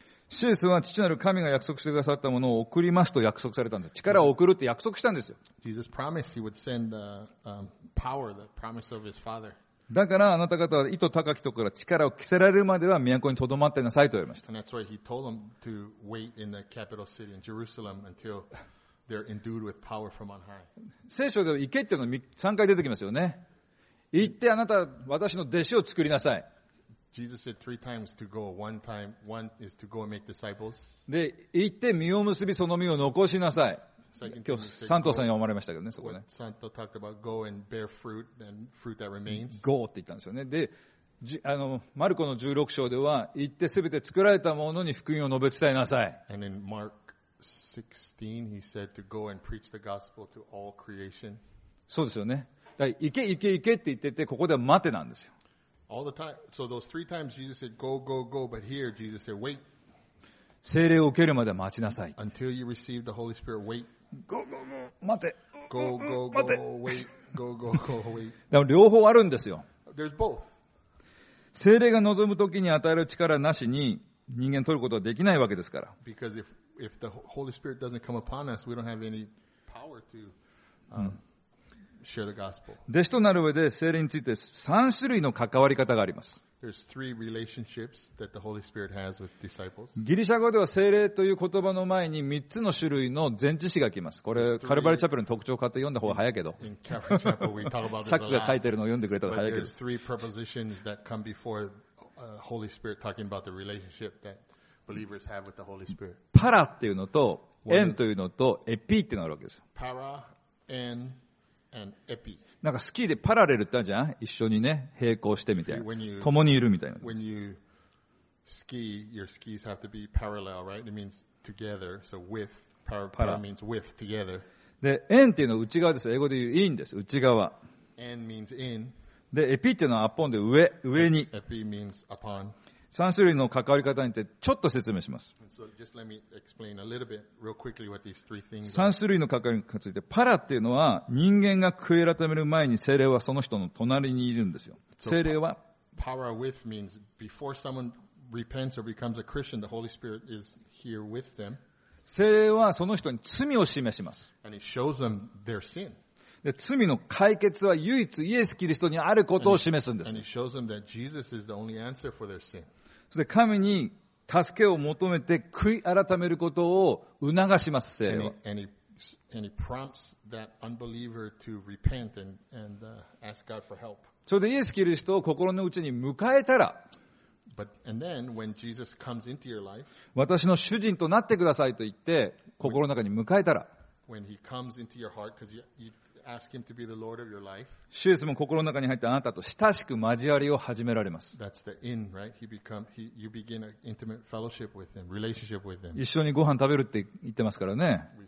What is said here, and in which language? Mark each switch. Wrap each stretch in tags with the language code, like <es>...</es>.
<ja>シュエスは父なる神が約束してくださったものを送りますと約束されたんです。力を送るって約束したんですよ。</ja> <en>Jesus promised he would send the power, the promise of his father.</en> <ja>だからあなた方は糸高きところから力を着せられるまでは都にとどまってなさいと言いました。</ja> <en>That's why he told them to wait in the capital city in Jerusalem until they're endued with power from on high.</en> <ja>聖書では行けっていうのが3回出てきますよね。行ってあなた私の弟子を作りなさい。</ja> <en>Jesus said three times to go. One is to go and make disciples.</en> <ja>で行って実を結びその実を残しなさい。今日サントさんに思われましたけどね、そこね。</ja> <en>サント talked about go and bear fruit and fruit that remains.</en> <ja>Go って言ったんですよね。で、マルコの16章では、行ってすべて作られたものに福音を述べ伝えなさい。</ja> <en>And in Mark 16, he said to go and preach the gospel to all creation.</en> <ja>そうですよね。だから行け行け行けって言ってて、ここでは待てなんですよ。</ja> <en>All the time. So those three times Jesus said go, go, go, but here Jesus said wait. 聖霊を受けるまで待ちなさい。 Until you receive the Holy Spirit, wait. Go, go, go, 待て。 Go, go, go, wait. Go, go, go, wait.</en> <ja>でも両方あるんですよ。</ja> <en>There's both.</en> <ja>聖霊が望むときに与える力なしに人間取ることはできないわけですから。</ja> <en>Because if the Holy Spirit doesn't come upon us, we don't have any power to、share the gospel.</en> <ja>弟子となる上で聖霊について3種類の関わり方があります。</ja> <en>There's three relationships that the Holy Spirit has with disciples.</en> <ja>ギリシャ語では聖霊という言葉の前に3つの種類の前置詞が来ます。これ、カルバリチャペルの特徴を買って読んだ方が早いけど。チャックが書いてるのを読んでくれた方が早いけど。</ja> <en>There's three prepositions that come before Holy Spirit talking about the relationship that believers have with the Holy Spirit.</en> <ja>パラっていうのと、エンというのと、エピっていうのがあるわけです。パラ、エン、</ja> <en>and epi。</en> <ja>なんかスキーでパラレルってあるじゃん、一緒にね並行してみたいな、共にいるみたいな。</ja> <en>When you ski, your skis have to be parallel, right? It means together. So with, para means with, together.</en> <ja>で、円っていうのは内側です。英語で言う in です。内側。</ja> <en>円 means in.</en> <ja>で、エピっていうのはアポンで上に。</ja> <en>Epi means upon.</en> <ja>三種類の関わり方についてちょっと説明します。</ja> <en>So just let me explain a little bit real quickly what these three things are.</en> <ja>三種類の関わり方について、パラっていうのは人間が悔い改める前に聖霊はその人の隣にいるんですよ。聖霊は、</ja> <en>Power with means before someone repents or becomes a Christian, the Holy Spirit is here with them.</en> <ja>聖霊はその人に罪を示します。</ja> <en>And he shows them their sin.</en> <ja>で、罪の解決は唯一イエス・キリストにあることを示すんです。</ja> <en>And he shows them that Jesus is the only answer for their sin.</en> <ja>そして神に助けを求めて悔い改めることを促します、聖霊は。</ja> <en>And he prompts that unbeliever to repent and ask God for help.</en> <ja>それでイエス・キリストを心の内に迎えたら、</ja> <en>And then when Jesus comes into your life,</en> <ja>私の主人となってくださいと言って心の中に迎えたら、</ja> <en>When he comes into your heart, because you ask him to be the Lord of your life.</en> <ja>シュエスも心の中に入ってあなたと親しく交わりを始められます。</ja> <en>That's the in, right? You begin an intimate fellowship with him, relationship with him.</en> <ja>一緒にご飯食べるって言ってますからね。</ja>